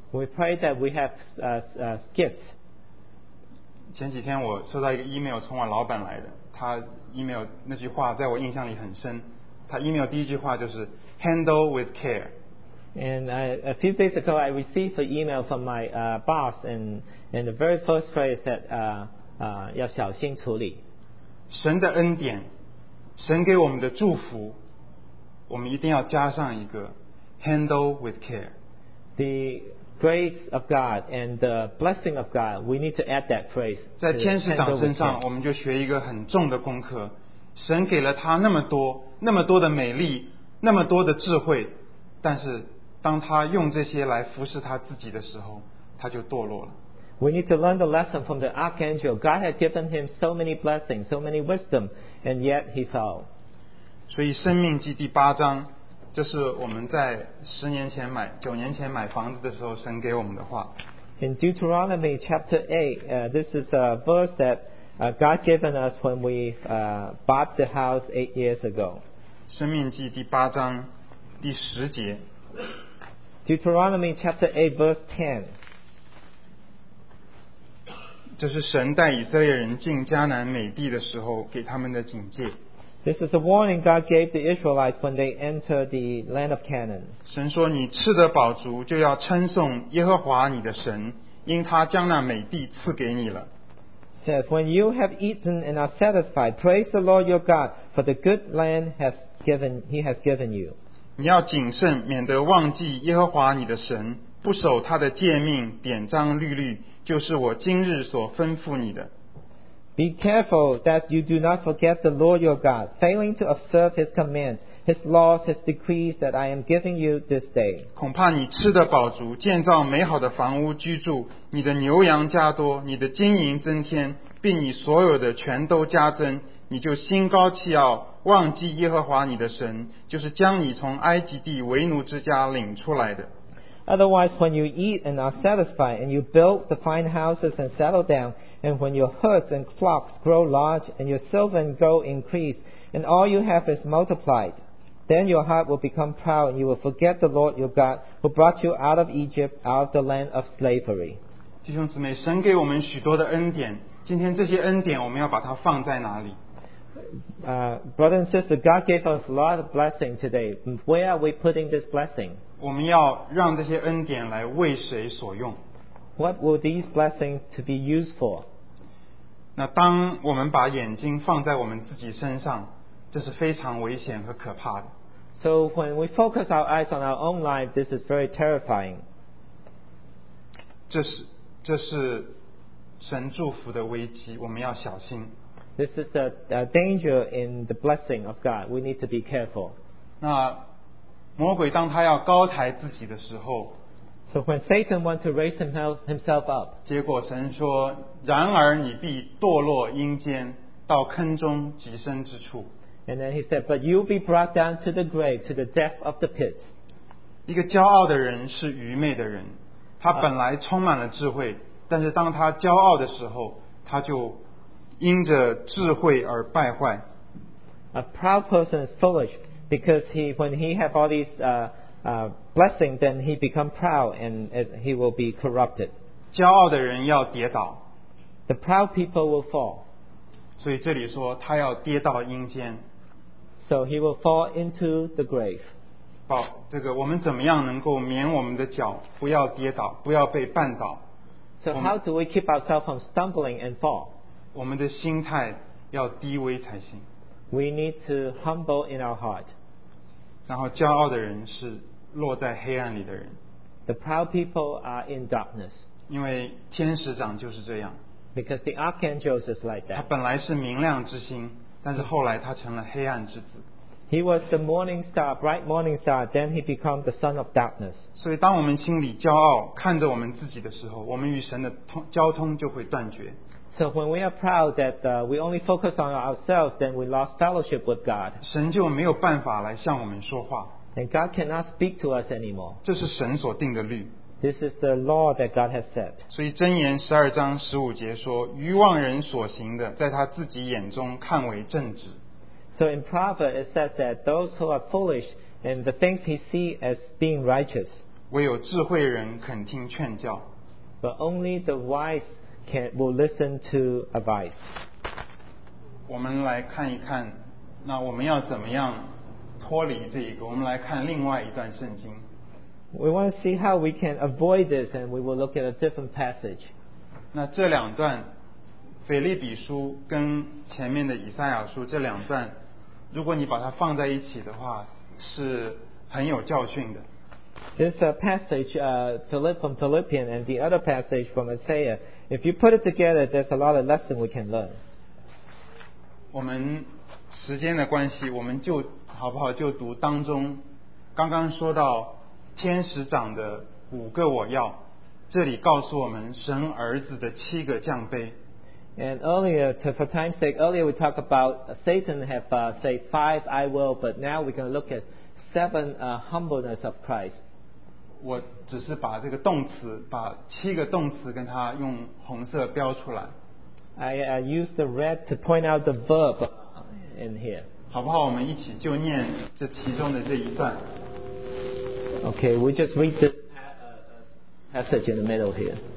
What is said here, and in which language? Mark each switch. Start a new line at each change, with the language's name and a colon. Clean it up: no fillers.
English: We pray that we have gifts.
Chinese: 前几天我收到一个 email 从我老板来的，他email 那句话在我印象里很深。他 email 第一句话就是
English: handle with care. And a few days ago, I received an email from my boss, and the very first phrase said,
Chinese: 要小心处理。神的恩典，神给我们的祝福，我们一定要加上一个
English: handle with care. The grace of God and the blessing of God, we need to add that phrase.
Chinese: 在天使长身上，我们就学一个很重的功课。神给了他那么多，那么多的美丽，那么多的智慧，但是当他用这些来服侍他自己的时候，他就堕落了。
English: We need to learn the lesson from the archangel. God had given him so many blessings, so many wisdom, and yet he fell.
Chinese: 所以《生命记》第八章，这是我们在十年前买、九年前买房子的时候神给我们的话。
English: In Deuteronomy chapter 8, this is a verse that God given us when we bought the house 8 years ago.
Chinese: 生命记第八章第十节。
English: Deuteronomy chapter 8 verse 10。
Chinese: 这是神带以色列人进迦南美地的时候给他们的警戒。
English: This is a warning God gave the Israelites when they entered the land of Canaan.
Chinese: 神说你吃得饱足就要称颂耶和华你的神，因他将那美地赐给你了。
English: Says, when you have eaten and are satisfied, praise the Lord your God for the good land he has given you.
Chinese: 你要谨慎，免得忘记耶和华你的神，不守他的诫命、典章、律例，就是我今日所吩咐你的。
English: Be careful that you do not forget the Lord your God, failing to observe His commands, His laws, His decrees that I am giving you this day.
Chinese: 恐怕你吃得饱足，建造美好的房屋居住，你的牛羊加多，你的金银增添，并你所有的全都加增，你就心高气傲，忘记耶和华你的神，就是将你从埃及地为奴之家领出来的。
English: Otherwise, when you eat and are satisfied, and you build the fine houses and settle down, and when your herds and flocks grow large, and your silver and gold increase, and all you have is multiplied, then your heart will become proud, and you will forget the Lord your God, who brought you out of Egypt, out of the land of slavery.
Chinese: 弟兄姊妹，神给我们许多的恩典，今天这些恩典我们要把它放在哪里？
English: Brother and sister, God gave us a lot of blessing today. Where are we putting this blessing?
Chinese: 我们要让这些恩典来为谁所用？
English: What will these blessings to be used for?
Chinese: 那当我们把眼睛放在我们自己身上，这是非常危险和可怕的。
English: So when we focus our eyes on our own life, this is very terrifying.
Chinese: 这是神祝福的危机，我们要小心。
English: This is the danger in the blessing of God. We need to be careful.
Chinese: 那魔鬼当他要高抬自己的时候，
English: So when Satan wants to raise himself up,
Chinese: 结果神说，然而你必堕落阴间，到坑中极深之处。
English: And then he said, but you'll be brought down to the grave, to the depth of the pit.
Chinese: 一个骄傲的人是愚昧的人，他本来充满了智慧，但是当他骄傲的时候，他就因着智慧而败坏。
English: A proud person is foolish because when he have all these blessing, then he become proud and he will be corrupted.
Chinese: 骄傲的人要跌倒。
English: The proud people will fall.
Chinese: 所以这里说他要跌到阴间。
English: So he will fall into the grave.
Chinese: 这个我们怎么样能够免我们的脚不要跌倒，不要被绊倒？
English: So how do we keep ourselves from stumbling and fall?
Chinese: 我们的心态要低微才行。
English: We need to humble in our heart.
Chinese: 然后骄傲的人是落在黑暗里的人。
English: The proud people are in darkness.
Chinese: 因为天使长就是这样。
English: Because the archangels is like that.
Chinese: 他本来是明亮之星，但是后来他成了黑暗之子。
English: He was the morning star, bright morning star, then he became the son of darkness.
Chinese: 所以当我们心里骄傲，看着我们自己的时候，我们与神的交通就会断绝。
English: So when we are proud that we only focus on ourselves, then we lost fellowship with God.
Chinese: 神就没有办法来向我们说话。
English: And God cannot speak to us anymore.
Chinese: 这是神所定的律。
English: This is the law that God has set.
Chinese: 所以箴言十二章十五节说，愚妄人所行的，在他自己眼中看为正直。
English: So in Proverbs it says that those who are foolish and the things he see as being righteous.
Chinese: 唯有智慧人肯听劝教。
English: But only the wise will listen to advice.
Chinese: 我们来看一看，那我们要怎么样脱离这一个？我们来看另外一段圣经。
English: We want to see how we can avoid this, and we will look at a different passage.
Chinese: 那这两段，腓立比书跟前面的以赛亚书这两段，如果你把它放在一起的话，是很有教训的。
English: This passage from Philippians and the other passage from Isaiah, if you put it together, there's a lot of lesson we can learn.
Chinese: 我们时间的关系，我们就好不好就读当中刚刚说到天使长的五个我要。这里告诉我们神儿子的七个降杯。
English: And earlier, for time's sake, earlier we talked about Satan have say five I will, but now we're going to look at seven humbleness of Christ.
Chinese: 我只是把这个动词，把七个动词跟它用红色标出来。
English: I use the red to point out the verb in here.
Chinese: 好不好？我们一起就念这其中的这一段。
English: Okay, we just read the passage in the middle here.